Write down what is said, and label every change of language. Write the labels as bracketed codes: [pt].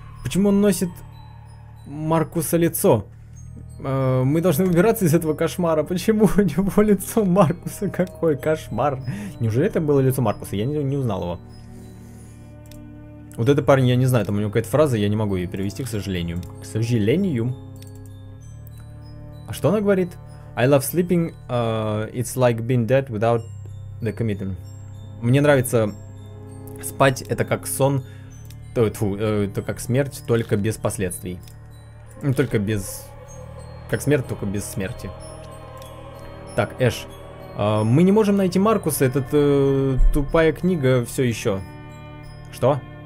[ru] Почему он носит Маркуса лицо? Мы должны выбираться из этого кошмара. Почему у него лицо Маркуса? Какой кошмар. Неужели это было лицо Маркуса? Я не узнал его. Вот это парень, я не знаю, там у него какая-то фраза, я не могу ее перевести, к сожалению. К сожалению. А что она говорит? [en] I love sleeping, it's like being dead without the commitment. [ru] Мне нравится спать, это как сон, это как смерть, только без последствий. Только без... Как смерть, только без смерти. Так, Эш. Мы не можем найти Маркуса, это тупая книга все еще. Что?